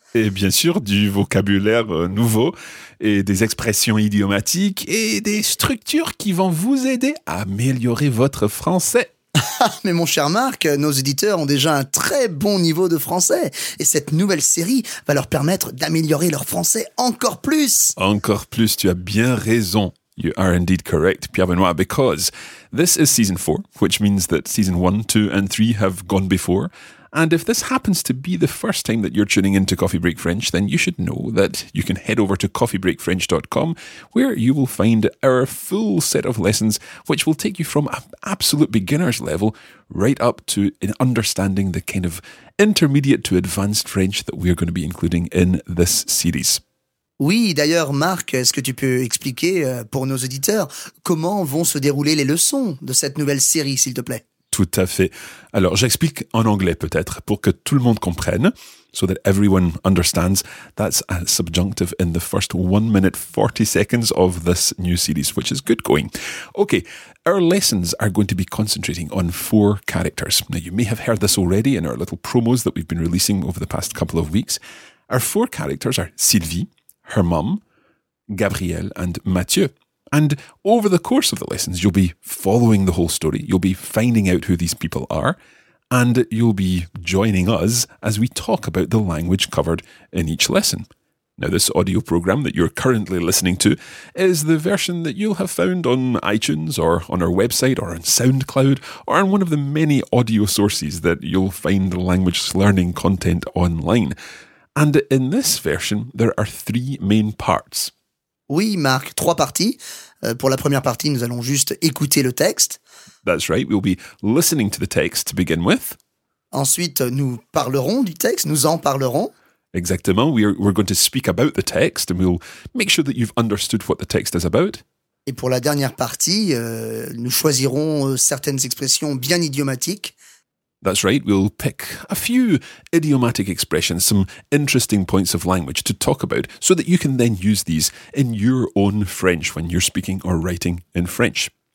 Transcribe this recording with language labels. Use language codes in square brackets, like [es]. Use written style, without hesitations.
[fr] Et bien sûr, du vocabulaire nouveau et des expressions idiomatiques et des structures qui vont vous aider à améliorer votre français. Mais mon cher Marc, nos auditeurs ont déjà un très bon niveau de français et cette nouvelle série va leur permettre d'améliorer leur français encore plus. Encore plus, tu as bien raison. [en] You are indeed correct, Pierre Benoît, because this is season 4, which means that season 1, 2 and 3 have gone before. And if this happens to be the first time that you're tuning into Coffee Break French, then you should know that you can head over to coffeebreakfrench.com, where you will find our full set of lessons, which will take you from an absolute beginner's level right up to an understanding the kind of intermediate to advanced French that we are going to be including in this series. [fr] Oui, d'ailleurs, Marc, est-ce que tu peux expliquer pour nos auditeurs comment vont se dérouler les leçons de cette nouvelle série, s'il te plaît? Tout à fait. Alors, j'explique en anglais peut-être pour que tout le monde comprenne. [en] So that everyone understands, that's a subjunctive in the first 1:40 of this new series, which is good going. Okay, our lessons are going to be concentrating on 4 characters. Now, you may have heard this already in our little promos that we've been releasing over the past couple of weeks. Our 4 characters are Sylvie, her mum, Gabrielle and Mathieu. And over the course of the lessons, you'll be following the whole story. You'll be finding out who these people are and you'll be joining us as we talk about the language covered in each lesson. Now, this audio program that you're currently listening to is the version that you'll have found on iTunes or on our website or on SoundCloud or on one of the many audio sources that you'll find language learning content online. And in this version, there are 3 main parts. [fr] Oui, Marc, 3 parties. Pour la première partie, nous allons juste écouter le texte. [en] That's right, we'll be listening to the text to begin with. [fr] Ensuite, nous parlerons du texte, nous en parlerons. Exactement, [en] we're going to speak about the text and we'll make sure that you've understood what the text is about. [fr] Et pour la dernière partie, nous choisirons certaines expressions bien idiomatiques. [en] That's right, we'll pick a few idiomatic expressions, some interesting points of language to talk about so that you can then use these in your own French when you're speaking or writing in French.